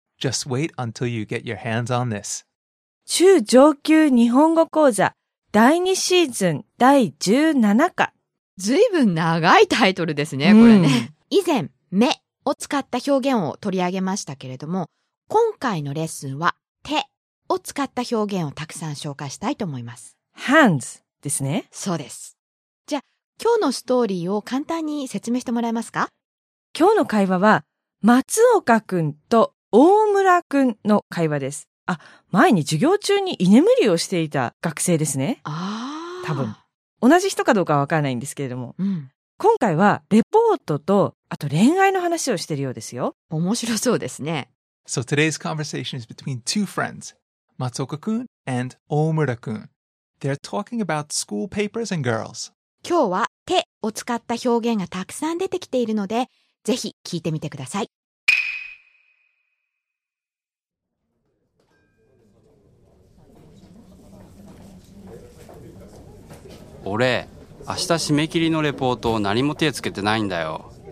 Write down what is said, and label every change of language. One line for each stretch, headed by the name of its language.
English: Just wait until you get your hands on this.
Japanese: 中上級日本語講座第2シーズン第17課。ずいぶん長いタイトルですね、これね。以前、目を使った表現を取り上げましたけれども、今回のレッスンは手を使った表現をたくさん紹介したいと思います。 Hands ですね。そうです。じゃあ、今日のストーリーを簡単に説明してもらえますか？今日の会話は、松岡くんと大村くんの会話です。あ、前に授業中に居眠りをしていた学生ですね。ああ。多分。同じ人かどうかはわからないんですけれども。うん。今回は、レポートと、あと恋愛の話をしているようですよ。面白そうですね。
English: So today's conversation is between two friends, 松岡くん and 大村くん。 They're talking about school papers and girls.
Japanese: 今日は手を使った表現がたくさん出てきているので、ぜひ聞いてみてください。俺、明日締め切りのレポートを何も手つけてないんだよ。